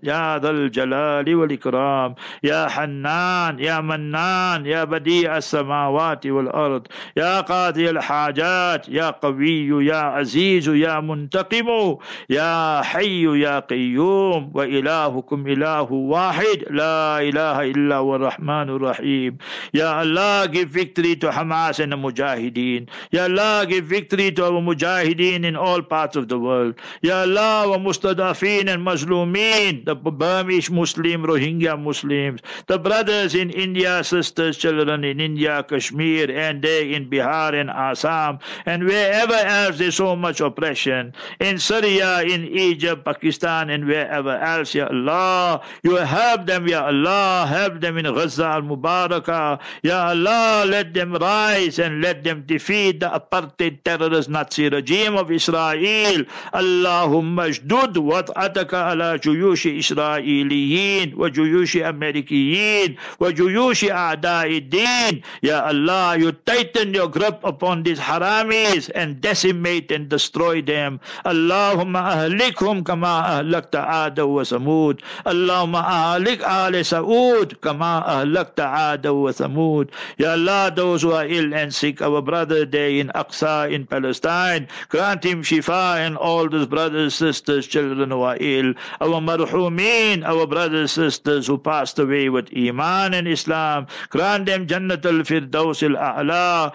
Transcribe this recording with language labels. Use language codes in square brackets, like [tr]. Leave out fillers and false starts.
[ar] يا ذا الجلال والإكرام، يا حنان يا منان، يا بديع السماوات والأرض، يا قاضي الحاجات، يا قوي يا عزيز يا منتقم، يا حي يا قيوم، وإلهكم إله واحد، لا إله إلا هو الرحمن الرحيم. يا الله [en] give victory to Hamas and the Mujahideen. [ar] يا الله [en] give victory to our Mujahideen in all parts of the world. Ya Allah, wa mustadafin and mazlumin, the Burmese Muslim, Rohingya Muslims, the brothers in India, sisters, children in India, Kashmir, and there in Bihar and Assam, and wherever else there's so much oppression, in Syria, in Egypt, Pakistan, and wherever else, Ya Allah, you help them, Ya Allah, help them in Gaza al-Mubarakah. Ya Allah, let them rise and let them defeat the apartheid terrorist Nazi regime of Israel. [ar] Allah, اللهم اشدد وطأتك على جيوش إسرائيليين وجيوش أمريكا. المشركين وجيوش أعداء الدين. يا الله, [en] you tighten your grip upon these haramis and decimate and destroy them. [ar] اللهم أهلكهم كما أهلكت عاد وثمود. اللهم أهلك آل سعود كما أهلكت عاد وثمود. [en] يا الله, those who are ill and sick, our brother there in Aqsa in Palestine, grant him shifa, and all those brothers, sisters, children who are ill, our marhumin, our brothers, sisters who passed away with Iman and Islam, grant them Jannat al-Firdaus al-A'la.